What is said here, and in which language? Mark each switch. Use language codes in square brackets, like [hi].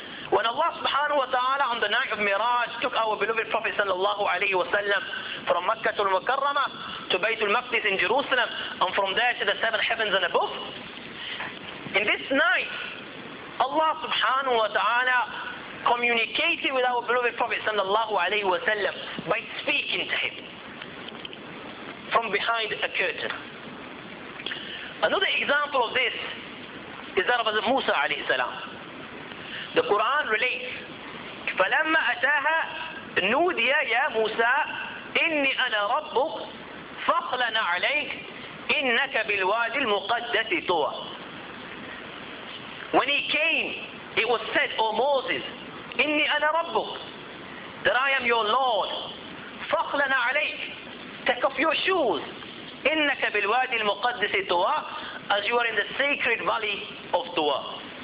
[en] When Allah subhanahu wa ta'ala on the night of Miraj took our beloved Prophet sallallahu alayhi wa sallam from Makkah al-Mukarramah to Baytul Maqdis in Jerusalem and from there to the seven heavens and above, in this night Allah subhanahu wa ta'ala communicated with our beloved Prophet sallallahu alayhi wa sallam by speaking to him from behind a curtain. Another example of this is that of Musa alayhi salam. The Quran relates, [ar] فَلَمَّا أَتَاهَا نُودِيَ يَا مُوسَى إِنِّي أَنَا رَبُّكْ فَاخْلَنَ عَلَيْكَ إِنَّكَ بِالْوَادِ الْمُقَدَّسِ طُوَى. [en] When he came, it was said, O Moses, [ar] إِنِّي أَنَا رَبُّكْ, [en] that I am your Lord. [ar] فَخْلَنَ عَلَيْكَ, [en] take off your shoes. [ar] إِنَّكَ بِالْوَادِ الْمُقَدِّسِ طُوَى, [en] as you are in the sacred valley of Tuwa.